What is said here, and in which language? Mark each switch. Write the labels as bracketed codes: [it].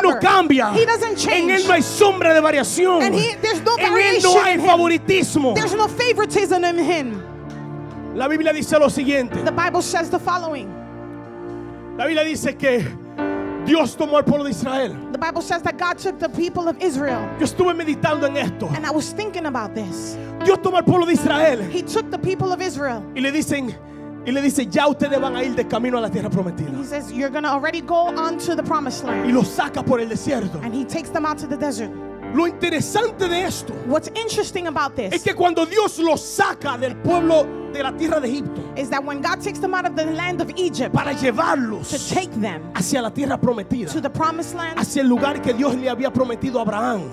[es] Él no cambia. [en] He doesn't change. [es] En él no hay sombra de variación. [en] And there's no variation. [es] En él no hay favoritismo. [en] There's no favoritism in him. [es] La Biblia dice lo siguiente. [en] The Bible says the following. [es] La Biblia dice que Dios tomó al pueblo de Israel. [en] The Bible says that God took the people of Israel. [es] Yo estuve meditando en esto. [en] And I was thinking about this. [es] Dios tomó al pueblo de Israel. [en] He took the people of Israel. [es] Y le dice, ya ustedes van a ir de camino a la tierra prometida. [en] He says, you're going to already go on to the promised land. [es] Y los saca por el desierto. [en] And he takes them out to the desert. [es] Lo interesante de esto, [en] what's interesting about this, [es] es que cuando Dios lo saca del pueblo de la tierra de Egipto, [en] is that when God takes them out of the land of Egypt, [es] para llevarlos [en] to take them [es] hacia la tierra prometida, [en] to the promised land, [es] hacia el lugar que Dios le había prometido a Abraham,